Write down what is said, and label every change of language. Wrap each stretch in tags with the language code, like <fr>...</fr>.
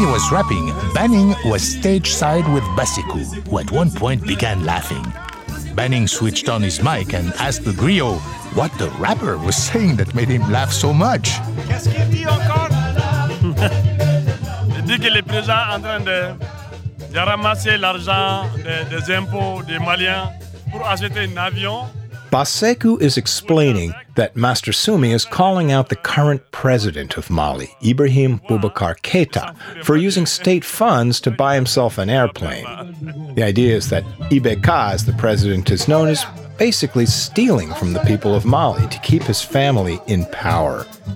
<en>Rapping, Banning was stage side with Basiku, who at one point began laughing. Banning switched on his mic and asked the griot what the rapper was saying that made him laugh so much.</en> <fr>Qu'est-ce qu'il dit encore? Il dit que les présents en train de ramasser l'argent des impôts des Maliens pour acheter un avion.</fr> <en>Basiku is explaining that Master Soumy is calling out the current president of Mali, Ibrahim Boubacar Keita, for using state funds to buy himself an airplane. The idea is that Ibeka, as the president is known, is basically stealing from the people of Mali to keep his family in power.</en>